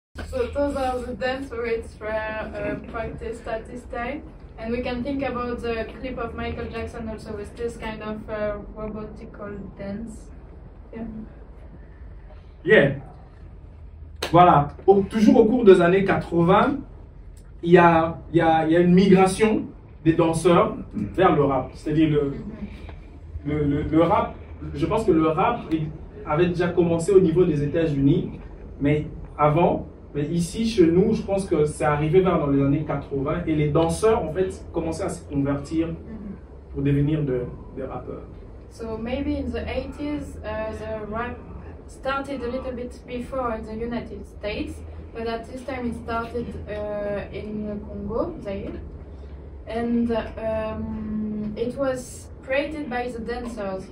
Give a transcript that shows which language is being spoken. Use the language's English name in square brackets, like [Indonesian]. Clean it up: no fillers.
[English] So those are the dance routes were practiced at this time, and we can think about the clip of Michael Jackson also with this kind of robotical dance. Yeah. Yeah. Voilà. [French] Toujours au cours des années 80, il y a une migration des danseurs vers le rap. C'est-à-dire le rap. Je pense que le rap avait déjà commencé au niveau des États-Unis, mais ici chez nous, je pense que c'est arrivé vers dans les années 80 et les danseurs en fait commençaient à se convertir pour devenir des rappeurs. [English] So maybe in the 80s, the rap started a little bit before in the United States, but at this time it started in Congo, Zaire, and it was created by the dancers.